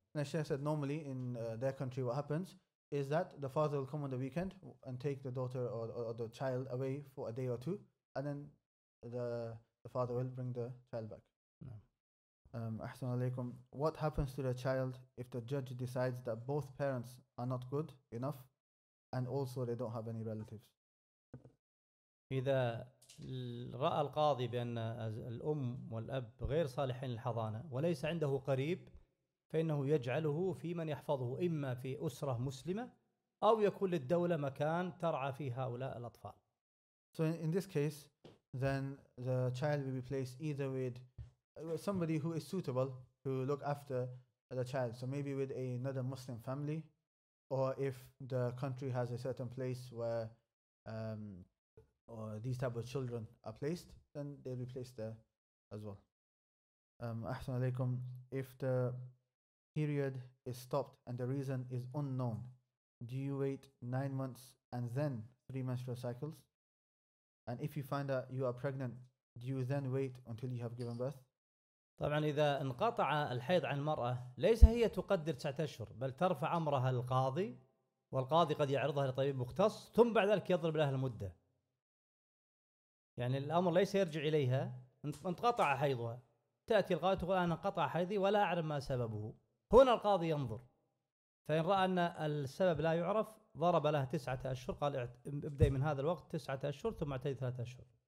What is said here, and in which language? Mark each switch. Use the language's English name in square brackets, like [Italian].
[English] And she said normally in their country what happens is that the father will come on the weekend and take the daughter or the child away for a day or two and then the father will bring the child back. [Arabic] أحسن عليكم. [English] What happens to the child if the judge decides that both parents are not good enough and also they don't have any relatives? [Arabic] إذا رأى القاضي بأن الأم والأب غير صالحين للحضانة وليس عنده قريب, فإنه يجعله في من يحفظه, إما في أسرة مسلمة أو يكون للدولة مكان ترعى فيه هؤلاء الأطفال. [English] So in this case, then the child will be placed either with somebody who is suitable to look after the child. So maybe with another Muslim family, or if the country has a certain place where or these type of children are placed, then they'll be placed there as well. [Arabic] أحسن عليكم. [English] If the period is stopped and the reason is unknown, do you wait 9 months and then 3 menstrual cycles? And if you find that you are pregnant, do you then wait until you have given birth? [Arabic] طبعا إذا انقطع الحيض عن المرأة ليس هي تقدر 9 أشهر, بل ترفع أمرها للقاضي والقاضي قد يعرضها لطبيب مختص ثم بعد ذلك يضرب لها المدة. يعني الأمر ليس يرجع إليها, انقطع حيضها, تأتي القاضي تقول أنا انقطع حيضي ولا أعرف ما سببه, هنا القاضي ينظر, فإن رأى أن السبب لا يعرف ضرب لها 9 أشهر, قال ابدأ من هذا الوقت 9 أشهر ثم اعتدي 3 أشهر.